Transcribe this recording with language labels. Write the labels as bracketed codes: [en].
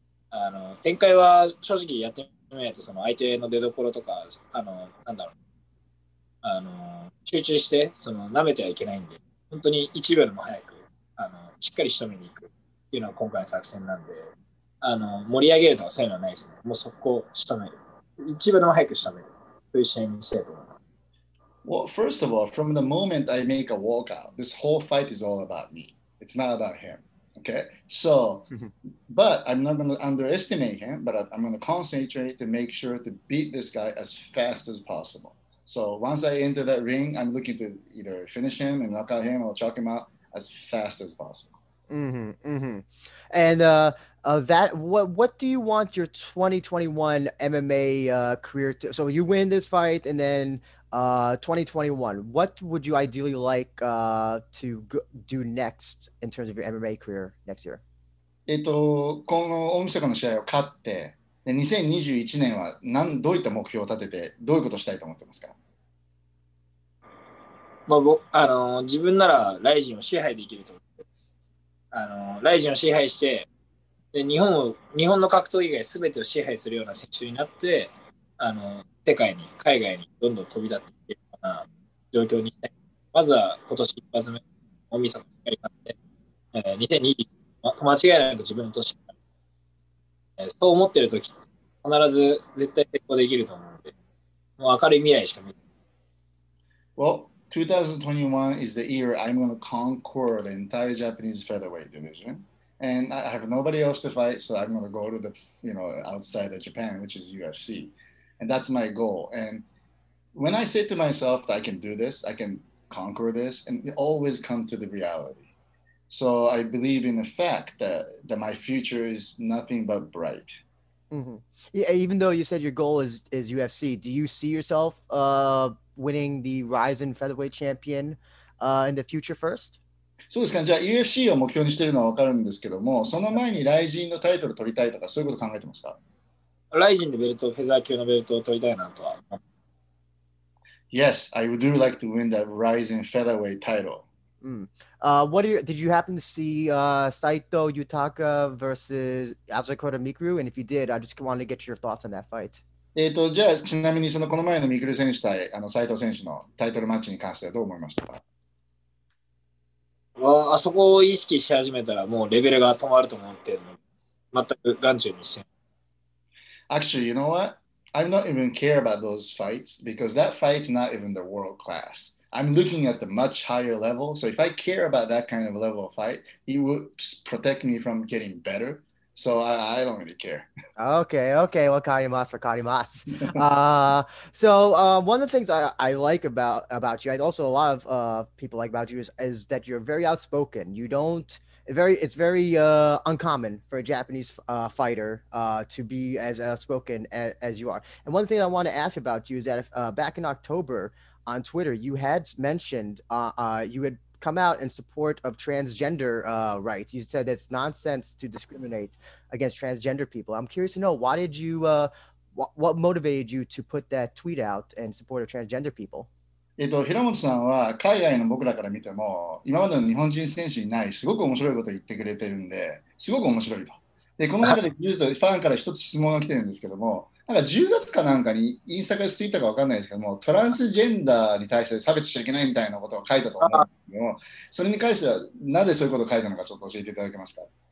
[ja] あの展開は正直やってみないとその相手の出所とかあのなんだろう、あの集中してその舐めてはいけないんで、本当に1秒でも早くあのしっかり仕留めに行くっていうのが今回の作戦なんで、あの盛り上げるとかそういうのはないですね。もう速攻仕留める、1秒でも早く仕留めるという試合にしたいと思います。 [en] Well, first of all, from the moment I make a walkout, this whole fight is all about me. It's not about him. Okay, so but I'm not going to underestimate him, but I'm going to concentrate to make sure to beat this guy as fast as possible. So once I enter that ring, I'm looking to either finish him and knock out him or choke him out as fast as possible. And that what do you want your 2021 MMA career to, so you win this fight and then 2021, what would you ideally like to do next in terms of your MMA career next year? [ja] この大晦日の試合を勝って、で2021年は何どういった目標を立てて、どういうことをしたいと思ってますか？まあ、あの自分ならライジンを支配できると思って、あのライジンを支配して、で日本の格闘技以外すべてを支配するような選手になって、あの世界に海外にどんどん飛び立っていけるような状況にしたい。まずは今年一発目大晦日しっかり勝って、2021間違いなく自分の年、そう思ってる時必ず絶対成功できると思うので、もう明るい未来しか見えない。 [en] Well, 2021 is the year I'm going to conquer the entire Japanese featherweight division, and I have nobody else to fight, so I'm going to go to the, you know, outside of Japan, which is UFC. And that's my goal. And when I say to myself that I can do this, I can conquer this, and it always comes to the reality. So I believe in the fact that my future is nothing but bright. Mm-hmm. Yeah, even though you said your goal is UFC, do you see yourself winning the Ryzen Featherweight Champion in the future first? [ja] そうですか。じゃあ UFC を目標にしているのは分かるんですけども、その前にライジンのタイトルを取りたいとか、そういうこと考えてますか？ライジンでベルト、フェザー級のベルトを取りたいなとは。 [en] Yes, I would do like to win that Rising Featherweight title. Did you happen to see Saito Yutaka versus Azakura Mikuru? And if you did, I just wanted to get your thoughts on that fight. [ja] じゃあちなみにそのこの前のミクル選手対あの斉藤選手のタイトルマッチに関してはどう思いましたか？あそこを意識し始めたらもうレベルが止まると思って、全く眼中にしてない。 [en] Actually, you know what? I don't even care about those fights because that fight's not even the world class. I'm looking at the much higher level. So if I care about that kind of level of fight, it would protect me from getting better. So I don't really care. [ja] Okay. Wakarimasu, wakarimasu. [en] So one of the things I like about you, and also a lot of people like about you, is that you're very outspoken. You don't... It's very uncommon for a Japanese fighter to be as outspoken as you are. And one thing I want to ask about you is that back in October on Twitter, you had mentioned you had come out in support of transgender rights. You said it's nonsense to discriminate against transgender people. I'm curious to know, why did you, what motivated you to put that tweet out in support of transgender people? [ja] 平本さんは海外の僕らから見ても今までの日本人選手にないすごく面白いことを言ってくれてるんで、すごく面白いと。でこの中で言うとファンから一つ質問が来てるんですけども、なんか10月かなんかにインスタからついたか分かんないですけども、トランスジェンダーに対して差別しちゃいけないみたいなことを書いたと思うんですけども、それに関してはなぜそういうことを書いたのかちょっと教えていただけますか？